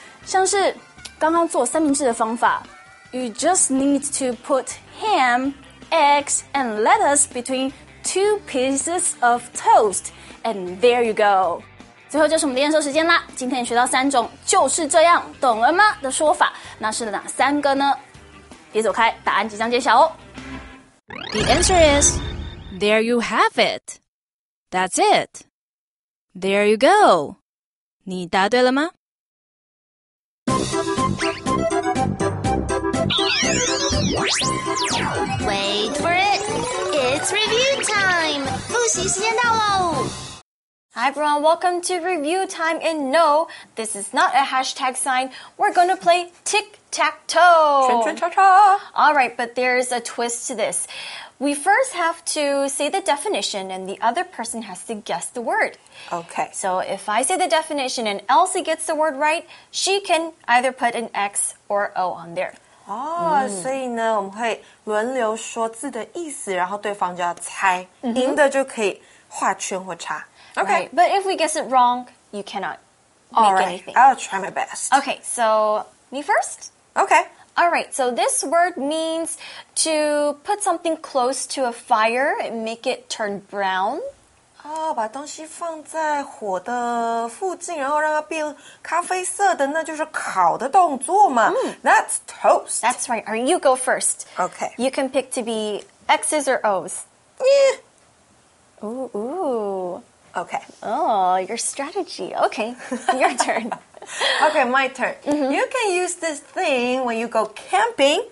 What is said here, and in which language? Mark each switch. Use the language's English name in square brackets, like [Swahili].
[Chinese] 像是刚刚做三明治的方法， [English] You just need to put ham, eggs, and lettuce between two pieces of toast, and there you go. [Chinese] 最后就是我们的验收时间啦。今天你学到三种就是这样懂了吗的说法，那是哪三个呢？别走开，答案即将揭晓哦。 [English] The answer is, there you have it. That's it. There you go. [Chinese] 你答对了吗？ [English] Wait for it. It's review time. [Chinese] 复习时间到喽。 [English] Hi everyone, welcome to review time, and no, this is not a hashtag sign. We're going to play tic-tac-toe. Chun-chun-cha-cha. All right, but there's a twist to this. We first have to say the definition and the other person has to guess the word. Okay. So if I say the definition and Elsie gets the word right, she can either put an X or O on there. [Chinese] 所以呢我们会轮流说字的意思，然后对方就要猜，赢的就可以画圈或叉。 [English] Okay, right. But if we guess it wrong, you cannot make All right. anything. I'll try my best. Okay, so me first? Okay. All right, so this word means to put something close to a fire and make it turn brown. [Chinese] 把东西放在火的附近然后让它变咖啡色的，那就是烤的动作嘛。 [English] That's toast. That's right. All right, you go first. Okay. You can pick to be X's or O's. Yeah. Ooh, ooh. Okay. Oh, your strategy. Okay, your turn. Okay, my turn. Mm-hmm. You can use this thing when you go camping.